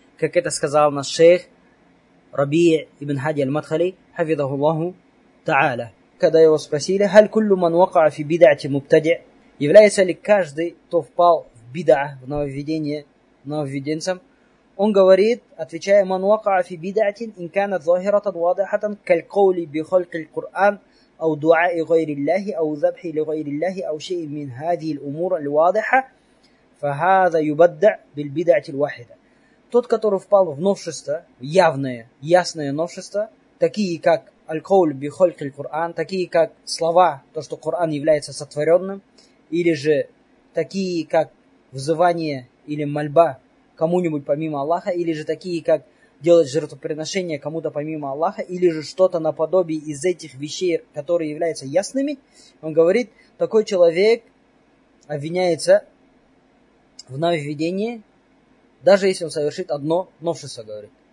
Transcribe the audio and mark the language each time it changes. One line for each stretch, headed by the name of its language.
Russian: Как это сказал наш шейх Рабия ибн Хади аль-Мадхали, хафизаху Аллаху Та'аля. Когда его спросили,
Arabic: «Халь куллю ман вакаа фи бидати мубтади?»
Russian: Является ли каждый, кто впал в бидаа, в нововведение, нововведенцам? Он говорит, отвечая,
Arabic: «Ман вакаа фи бидатин ин канат захиратан вадахатан каль каули би халк аль-Кур'ан». أو دعاء غير الله أو ذبح لغير الله أو شيء من هذه الأمور الواضحة فهذا يبدع بالبدعة الواحدة.
Russian: Тот, который впал в новшество, явное, ясное новшество, такие как
Arabic: аль-кауль би хальк аль-Куран,
Russian: такие как слова, то, что Коран является сотворенным, или же такие как взывание или мольба кому-нибудь помимо Аллаха, или же такие как делать жертвоприношение кому-то помимо Аллаха, или же что-то наподобие из этих вещей, которые являются ясными, он говорит, такой человек обвиняется в нововведении, даже если он совершит одно новшество, говорит.